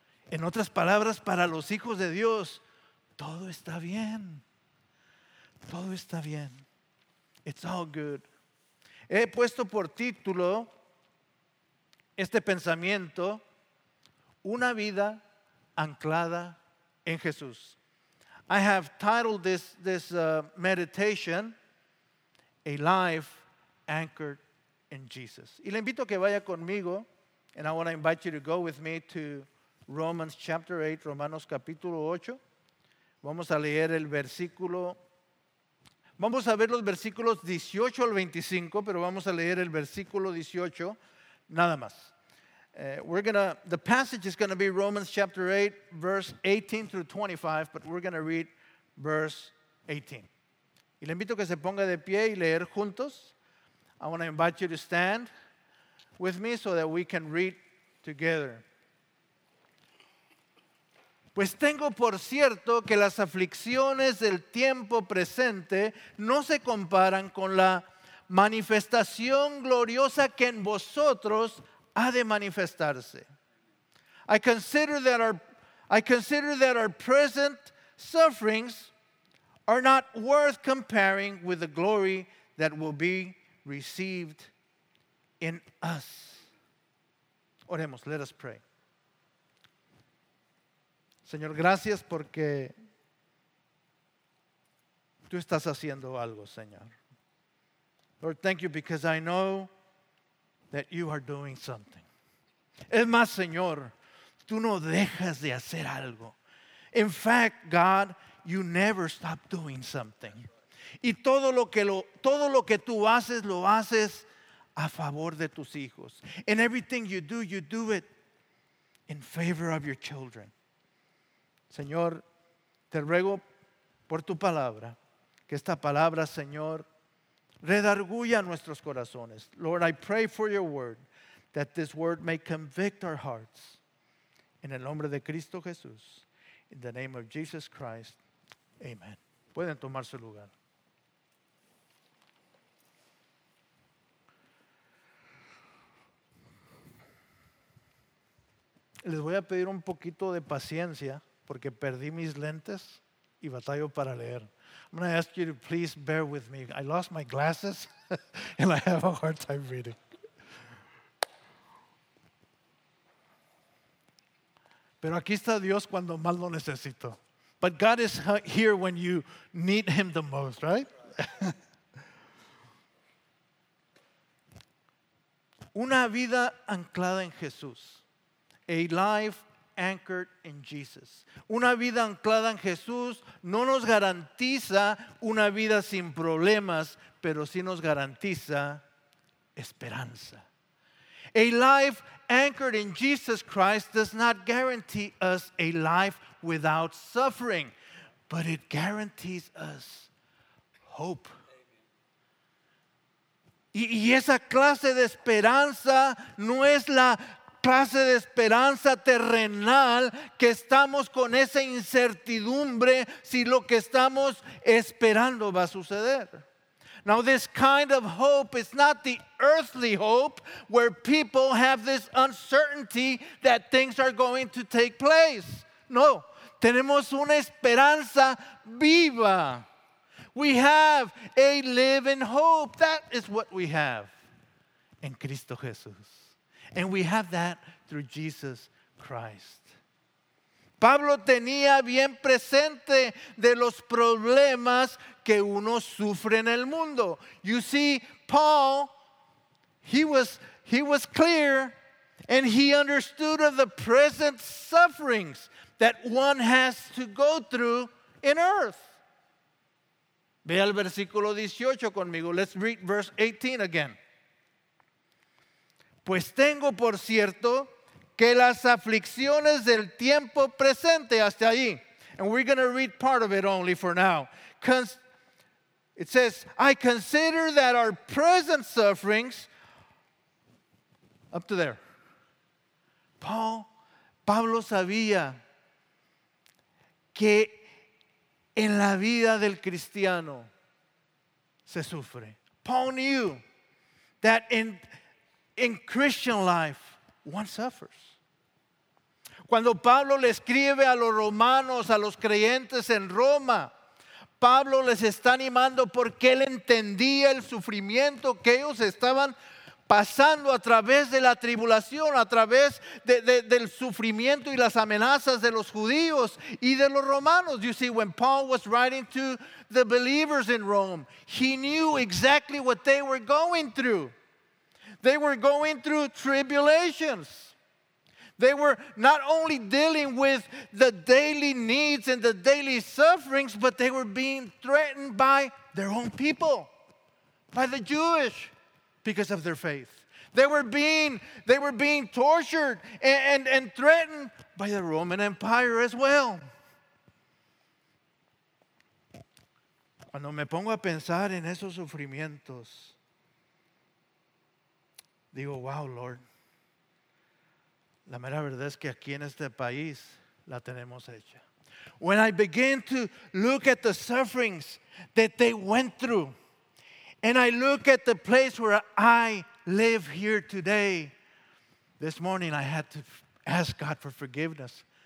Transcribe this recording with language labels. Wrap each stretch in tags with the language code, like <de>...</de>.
<es>En otras palabras, para los hijos de Dios, todo está bien. Todo está bien.</es> <en>It's all good.</en> <es>He puesto por título este pensamiento, una vida anclada en Jesús.</es> <en>I have titled this meditation, A Life Anchored in Jesus.</en> <es>Y le invito a que vaya conmigo,</es> <en>and I want to invite you to go with me to Romans chapter 8,</en> <es>Romanos capítulo 8. Vamos a leer el versículo. Vamos a ver los versículos 18 al 25, pero vamos a leer el versículo 18 nada más.</es> <en>The passage is going to be Romans chapter 8, verse 18 through 25, but we're going to read verse 18.</en> <es>Y le invito a que se ponga de pie y leer juntos.</es> <en>I want to invite you to stand with me so that we can read together.</en> <es>Pues tengo por cierto que las aflicciones del tiempo presente no se comparan con la manifestación gloriosa que en vosotros ha de manifestarse.</es> <en>I consider that our present sufferings are not worth comparing with the glory that will be received in us.</en> <es>Oremos,</es> <en>let us pray.</en> <es>Señor, gracias porque tú estás haciendo algo, Señor.</es> <en>Lord, thank you because I know that you are doing something.</en> <es>Es más, Señor, tú no dejas de hacer algo.</es> <en>In fact, God, you never stop doing something.</en> <es>Y todo lo que tú haces, lo haces a favor de tus hijos.</es> <en>And everything you do it in favor of your children.</en> <es>Señor, te ruego por tu palabra, que esta palabra, Señor, redarguya nuestros corazones.</es> <en>Lord, I pray for your word, that this word may convict our hearts.</en> <es>En el nombre de Cristo Jesús,</es> <en>in the name of Jesus Christ,</en> <es>amen. Pueden tomar su lugar. Les voy a pedir un poquito de paciencia. Porque perdí mis lentes y batallo para leer.</es> <en>I'm going to ask you to please bear with me. I lost my glasses and I have a hard time reading.</en> <es>Pero aquí está Dios cuando más lo necesito.</es> <en>But God is here when you need him the most, right?</en> <es>Una vida anclada en Jesús.</es> <en>A life anchored in Jesus.</en> <es>Una vida anclada en Jesús no nos garantiza una vida sin problemas, pero sí nos garantiza esperanza.</es> <en>A life anchored in Jesus Christ does not guarantee us a life without suffering, but it guarantees us hope.</en> <es>Y esa clase de esperanza no es la clase de esperanza terrenal que estamos con esa incertidumbre si lo que estamos esperando va a suceder.</es> <en>Now this kind of hope is not the earthly hope where people have this uncertainty that things are going to take place.</en> <es>No, tenemos una esperanza viva.</es> <en>We have a living hope. That is what we have in Cristo Jesús. And we have that through Jesus Christ.</en> <es>Pablo tenía bien presente de los problemas que uno sufre en el mundo.</es> <en>You see, Paul, he was clear and he understood of the present sufferings that one has to go through in earth.</en> <es>Ve al versículo 18 conmigo.</es> <en>Let's read verse 18 again.</en> <es>Pues tengo por cierto que las aflicciones del tiempo presente hasta ahí.</es> <en>And we're going to read part of it only for now. It says, I consider that our present sufferings, up to there.</en> <es>Pablo sabía que en la vida del cristiano se sufre.</es> <en>Paul knew that in Christian life, one suffers.</en> <es>Cuando Pablo le escribe a los romanos, a los creyentes en Roma, Pablo les está animando porque él entendía el sufrimiento que ellos estaban pasando a través de la tribulación, a través del sufrimiento y las amenazas de los judíos y de los romanos.</es> <en>You see, when Paul was writing to the believers in Rome, he knew exactly what they were going through. They were going through tribulations. They were not only dealing with the daily needs and the daily sufferings, but they were being threatened by their own people, by the Jewish, because of their faith. They were being tortured and threatened by the Roman Empire as well.</en> <es>Cuando me pongo a pensar en esos sufrimientos, digo,</es> <en>wow, Lord.</en> <es>La mera verdad es que aquí en este país la tenemos hecha.</es> <en>When I begin to look at the sufferings that they went through, and I look at the place where I live here today, this morning I had to ask God for forgiveness.</en>